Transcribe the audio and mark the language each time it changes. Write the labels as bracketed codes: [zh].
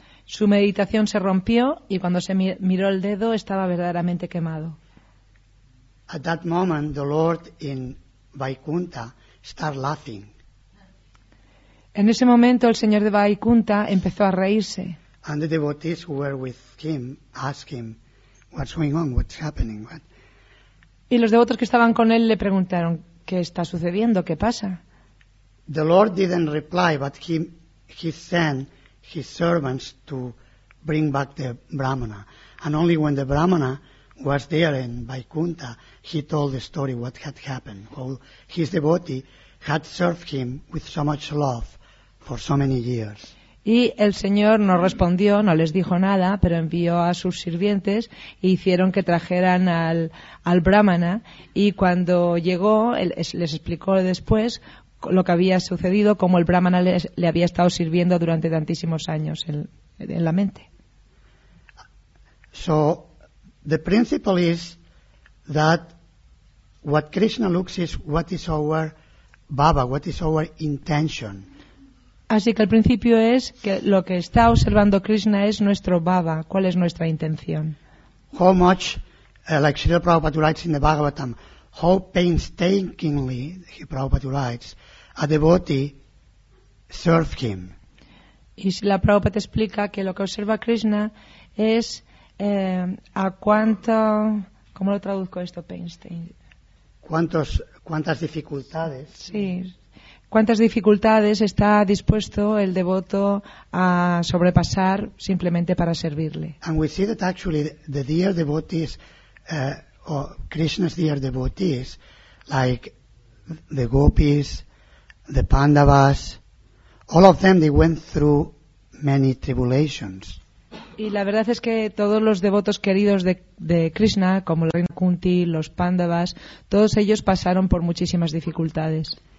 [es] Su meditación se rompió y cuando se miró el dedo estaba verdaderamente quemado. [en] At that moment, the Lord in Vaikuntha started laughing. [es] En ese momento el señor de Vaikuntha empezó a reírse. [en] And the devotees who were with him asked him, "What's going on? What's happening?" [es] Y los devotos que estaban con él le preguntaron, "¿Qué está sucediendo? ¿Qué pasa?" [en] The Lord didn't reply, but he sent his servants to bring back the Brahmana. And only when the Brahmana was there in Vaikuntha, he told the story what had happened. How his devotee had served him with so much love for so many years. [es] Y el Señor no respondió, no les dijo nada, pero envió a sus sirvientes e hicieron que trajeran al Brahmana. Y cuando llegó, les explicó después lo que había sucedido, como el Brahmana le había estado sirviendo durante tantísimos años en la mente. [en] So the principle is that what Krishna looks is what is our bhava, what is our intention. [es] Así que el principio es que lo que está observando Krishna es nuestro bhava, cuál es nuestra intención. [en] How much, like Srila Prabhupada writes in the Bhagavatam, how painstakingly Prabhupada writes, a devotee serve him. [es] Y si la Prabhupada explica que lo que observa Krishna es a cuánto, ¿cómo lo traduzco esto? [en] Painstaking. [es] ¿Cuántas dificultades? Sí. ¿Cuántas dificultades está dispuesto el devoto a sobrepasar simplemente para servirle? [en] And we see that actually the dear devotees, or Krishna's dear devotees, like the gopis, the Pandavas, all of them, they went through many tribulations. [es] Y la verdad es que todos los devotos queridos de Krishna, como la reina Kunti, los Pandavas, todos ellos pasaron por muchísimas dificultades.